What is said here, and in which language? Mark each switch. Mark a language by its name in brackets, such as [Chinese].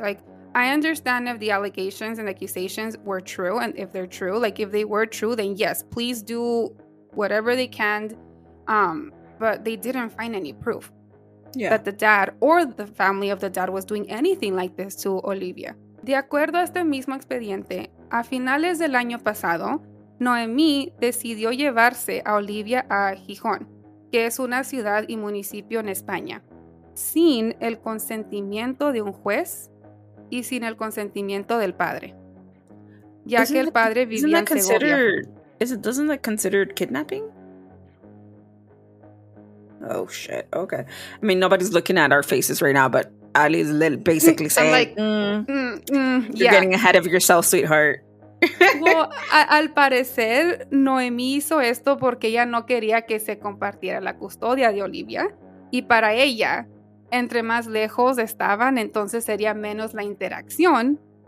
[English] Like, I understand if the allegations and accusations were true, and if they're true, like, if they were true, then yes, please do whatever they can. But they didn't find any proof that the dad or the family of the dad was doing anything like this to Olivia. [Spanish] De acuerdo a este mismo expediente, a finales del año pasado, Noemí decidió llevarse a Olivia a Gijón, que es una ciudad y municipio en España, sin el consentimiento de un juez y sin el consentimiento del padre, ya que el padre vivía en Segovia. [English] Doesn't that consider kidnapping? Oh, shit. Okay. I mean, nobody's looking at our faces right now, but Ali is basically saying, like, you're getting ahead of yourself, sweetheart. [Spanish] Well, al parecer, Noemí hizo esto porque ella no quería que se compartiera la custodia de Olivia. Y para ella, entre más lejos estaban, entonces sería menos la interacción.